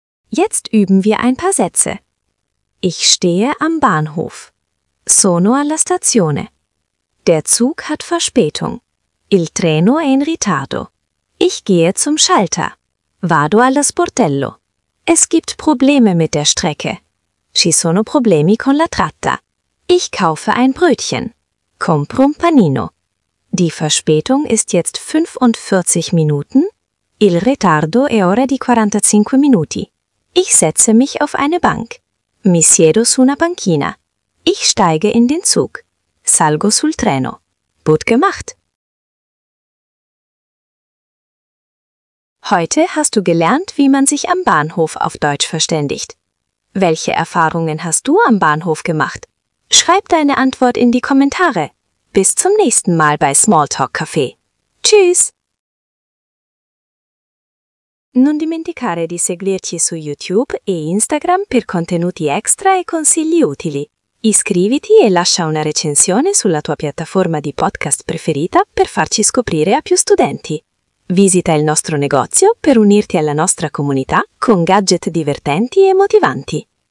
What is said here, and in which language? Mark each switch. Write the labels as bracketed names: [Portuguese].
[German] Jetzt üben wir ein paar Sätze. Ich stehe am Bahnhof. [Italian] Sono alla stazione. [German] Der Zug hat Verspätung. [Italian] Il treno è in ritardo. [German] Ich gehe zum Schalter. [Italian] Vado allo sportello. [German] Es gibt Probleme mit der Strecke. [Italian] Ci sono problemi con la tratta. [German] Ich kaufe ein Brötchen. [Italian] Compro un panino. [German] Die Verspätung ist jetzt 45 Minuten. [Italian] Il ritardo è ora di 45 minuti. [German] Ich setze mich auf eine Bank. [Italian] Mi siedo su una banchina. [German] Ich steige in den Zug. [Italian] Salgo sul treno. [German] Gut gemacht! Heute hast du gelernt, wie man sich am Bahnhof auf Deutsch verständigt. Welche Erfahrungen hast du am Bahnhof gemacht? Schreib deine Antwort in die Kommentare. Bis zum nächsten Mal bei Smalltalk Café. Tschüss! [Italian] Non dimenticare di seguirci su YouTube e Instagram per contenuti extra e consigli utili. Iscriviti e lascia una recensione sulla tua piattaforma di podcast preferita per farci scoprire a più studenti. Visita il nostro negozio per unirti alla nostra comunità con gadget divertenti e motivanti.